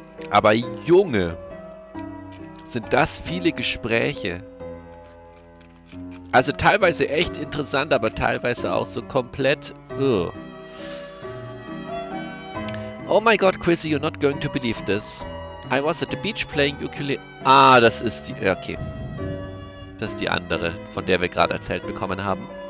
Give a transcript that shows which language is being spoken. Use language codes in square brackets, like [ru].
[de] Aber Junge, sind das viele Gespräche. Also teilweise echt interessant, aber teilweise auch so komplett... Ugh. [en] Oh my god, Chrissy, you're not going to believe this. I was at the beach playing ukulele... [de] Ah, das ist die... Okay. Das ist die andere, von der wir gerade erzählt bekommen haben.